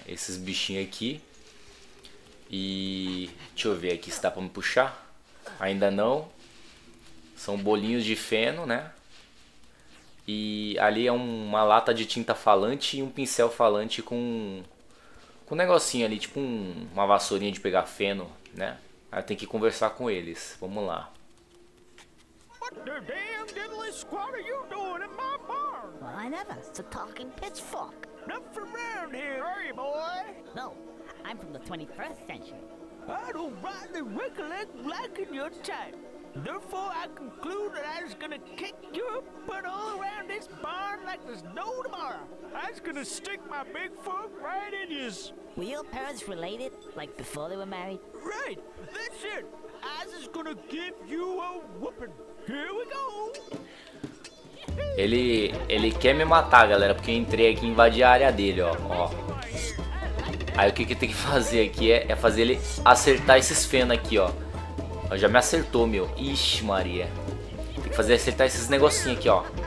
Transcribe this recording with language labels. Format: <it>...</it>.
<pt>Esses bichinhos aqui. E deixa eu ver aqui se dá pra me puxar. Ainda não. São bolinhos de feno, né? E ali é uma lata de tinta falante e um pincel falante com um negocinho ali, tipo uma vassourinha de pegar feno, né? Aí tem que conversar com eles. Vamos lá.</pt> <en>What the damn diddly squat are you doing in my barn? Well, I never. It's a talking pitchfork. Not from around here, are you, boy? No, I'm from the 21st century. I don't rightly recollect liking your type. Therefore, I conclude that I was gonna kick your butt all around this barn like there's no tomorrow. I was gonna stick my big foot right in yous. Were your parents related, like before they were married? Right. That's it. I was gonna give you a whooping. Here we go.</en> <pt>Ele quer me matar, galera, porque eu entrei aqui e invadi a área dele, ó. Aí o que tem que fazer aqui é fazer ele acertar esses feno aqui, ó. Já me acertou, meu. Ixi, Maria. Tem que fazer acertar esses negocinhos aqui, ó.</pt>